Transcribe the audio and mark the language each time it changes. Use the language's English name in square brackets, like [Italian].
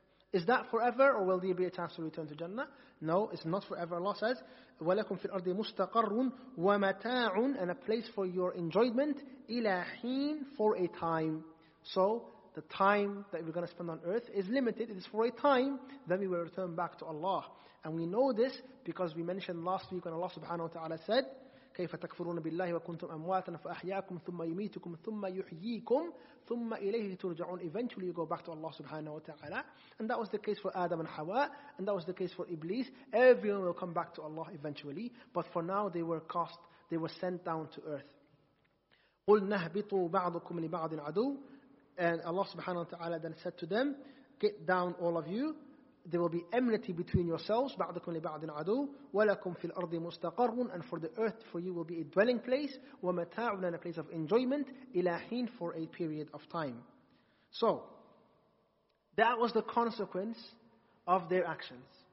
[English] Is that forever, or will there be a chance to return to Jannah? No, it's not forever. Allah says, [Arabic] وَلَكُمْ فِي الْأَرْضِ مُسْتَقَرٌ وَمَتَاعٌ. [English] And a place for your enjoyment, [Arabic] إِلَى حِينٍ, [English] for a time. So, the time that we're going to spend on earth is limited. It is for a time, then we will return back to Allah. And we know this because we mentioned last week when Allah subhanahu wa ta'ala said, [Arabic] كيف تكفرون بالله وكنتم أمواتا فأحياكم ثم يميتكم ثم يحييكم ثم إليه ترجعون. [English] Eventually you go back to Allah subhanahu wa ta'ala. And that was the case for Adam and Hawa. And that was the case for Iblis. Everyone will come back to Allah eventually. But for now they were cast, they were sent down to earth. [Arabic] قل نهبطوا بعضكم لبعض عدو. [English] And Allah subhanahu wa ta'ala then said to them, get down all of you. There will be enmity between yourselves, [Arabic] بَعْضَكُمْ لِبَعْضٍ عَدُوٍ. وَلَكُمْ فِي الْأَرْضِ مُسْتَقَرٌ. [English] And for the earth, for you will be a dwelling place, [Arabic] وَمَتَاعٌ, [English] and a place of enjoyment, [Arabic] إِلَى حِينٍ, [English] for a period of time. So, that was the consequence of their actions.